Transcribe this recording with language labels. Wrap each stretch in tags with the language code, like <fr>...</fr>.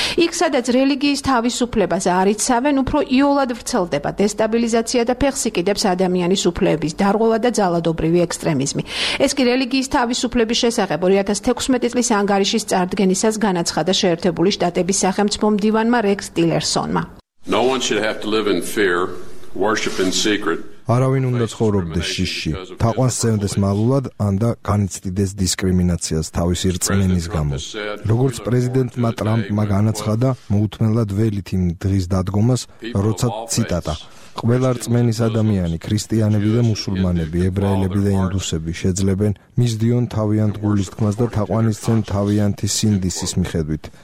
<ka>იქ, სადაც რელიგიის თავისუფლებას არიცავენ, უფრო იოლად ვრცელდება დესტაბილიზაცია და ფეხსიკიდებს ადამიანის უფლებების დარღვევა და ძალადობრივი ექსტრემიზმი. ეს კი რელიგიის თავისუფლების შესახებ 2016 წლის ანგარიშის წარდგენისას განაცხადა შეერთებული შტატების სახელმწიფო მდივანმა რექს ტილერსონმა.</ka> <en>No one should have to live in fear, worship in secret.</en> <ka>არავინ უნდა ცხოვრობდეს შიში, თაყვანს სცემდეს მალულად, ან და განიცდიდეს დისკრიმინაციას თავისი რწმენის გამო. როგორც პრეზიდენტმა ტრამპმა განაცხადა, მოუთმენლად ველით იმ დღის დადგომას, როცა ციტატა: ყველა რწმენის ადამიანი, ქრისტიანები და მუსულმანები, ებრაელები და ინდუსები შეძლებენ მისდიონ თავიანთ გულისხმას და თაყვანისცემ თავიანთი სინდისის მიხედვით.</ka>